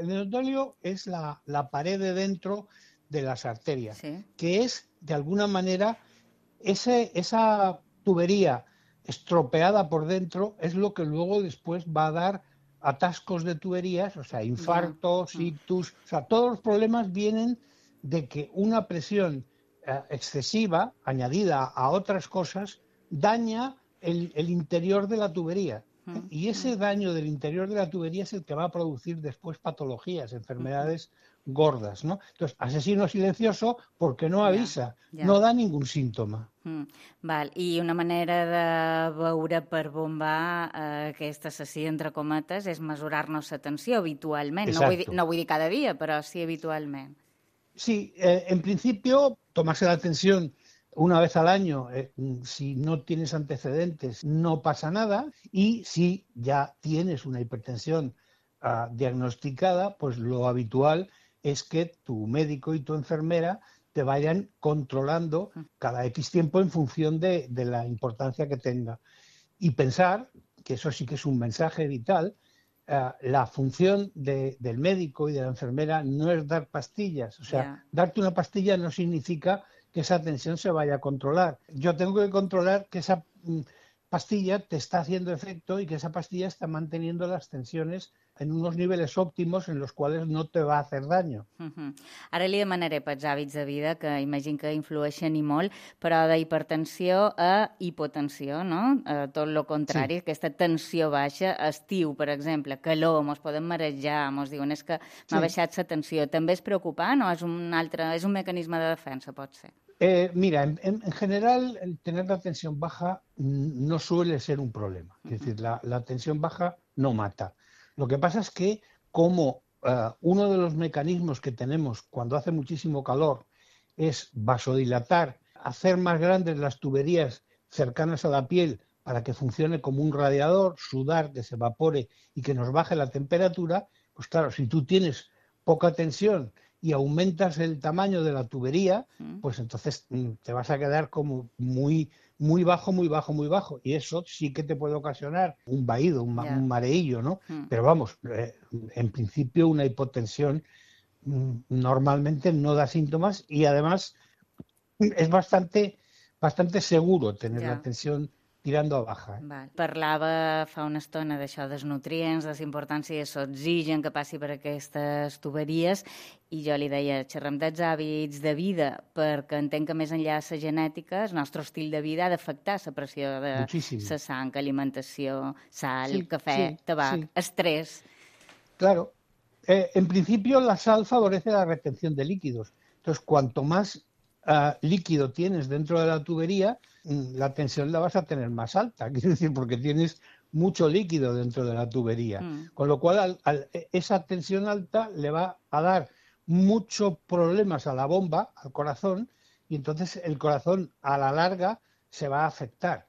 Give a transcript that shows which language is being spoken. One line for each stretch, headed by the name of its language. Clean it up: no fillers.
Spanish: El endotelio es la pared de dentro de las arterias, sí, que es, de alguna manera, esa tubería estropeada por dentro es lo que luego después va a dar atascos de tuberías, o sea, infartos, ictus, o sea, todos los problemas vienen de que una presión excesiva, añadida a otras cosas, daña el interior de la tubería. Y ese daño del interior de la tubería es el que va a producir después patologías, enfermedades gordas, ¿no? Entonces, asesino silencioso porque no avisa, no da ningún síntoma.
Catalan: Val, i una manera de veure per bombar aquest assassí, entre cometes, és mesurar-nos la tensió habitualment.
Spanish: Exacto.
Catalan: No vull dir cada dia, però sí habitualment.
Spanish: Sí, en principio, tomarse la tensión una vez al año, si no tienes antecedentes, no pasa nada. Y si ya tienes una hipertensión diagnosticada, pues lo habitual es que tu médico y tu enfermera te vayan controlando cada X tiempo en función de la importancia que tenga. Y pensar, que eso sí que es un mensaje vital, la función del médico y de la enfermera no es dar pastillas. O sea, darte una pastilla no significa que esa tensión se vaya a controlar. Yo tengo que controlar que esa pastilla te está haciendo efecto y que esa pastilla está manteniendo las tensiones en unos niveles óptimos en los cuales no te va a hacer daño. Uh-huh.
Catalan: Ara li demanaré pels hàbits de vida, que imagino que influeixen i molt, però de hipertensió a hipotensió, no? Tot lo contrari, sí. Aquesta tensió baixa, estiu, per exemple, calor, mos podem marejar, mos diuen és que m'ha baixat la tensió. També és preocupant o és un mecanisme de defensa, pot ser?
Spanish: Mira, en general, tener la tensión baja no suele ser un problema. Es decir, la tensión baja no mata. Lo que pasa es que, como uno de los mecanismos que tenemos cuando hace muchísimo calor es vasodilatar, hacer más grandes las tuberías cercanas a la piel para que funcione como un radiador, sudar, que se evapore y que nos baje la temperatura, pues claro, si tú tienes poca tensión y aumentas el tamaño de la tubería, pues entonces te vas a quedar como muy, muy bajo, muy bajo, muy bajo. Y eso sí que te puede ocasionar un vaído, un mareillo, ¿no? Pero vamos, en principio una hipotensión normalmente no da síntomas y además es bastante, bastante seguro tener la tensión tirando a baja. Vale.
Catalan: Parlava fa una estona d'això dels nutrients, de la importància de l'oxigen que passi per aquestes tuberies, i jo li deia, xerrem dels hàbits de vida, perquè entenc que més enllà de la genètica, el nostre estil de vida ha d'afectar la pressió de la sang, alimentació, sal, cafè, tabac, estrès.
Spanish: Claro. En principio, la sal favorece la retención de líquidos. Entonces, cuanto más líquido tienes dentro de la tubería, la tensión la vas a tener más alta, quiero decir, porque tienes mucho líquido dentro de la tubería. Con lo cual, esa tensión alta le va a dar muchos problemas a la bomba, al corazón, y entonces el corazón a la larga se va a afectar.